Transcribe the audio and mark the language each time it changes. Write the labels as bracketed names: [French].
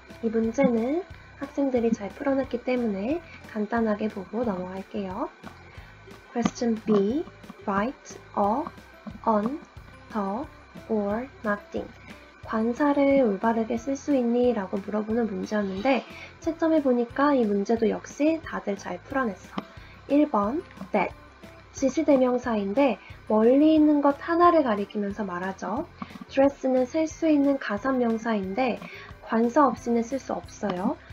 [Korean] 이 문제는 학생들이 잘 풀어놨기 때문에 간단하게 보고 넘어갈게요. [English] Question B, write a, on, the, or nothing. [Korean] 관사를 올바르게 쓸 수 있니? 라고 물어보는 문제였는데 채점해 보니까 이 문제도 역시 다들 잘 풀어냈어. 1번 that, 지시대명사인데 멀리 있는 것 하나를 가리키면서 말하죠. dress는 셀 수 있는 가산명사인데 관사 없이는 쓸 수 없어요.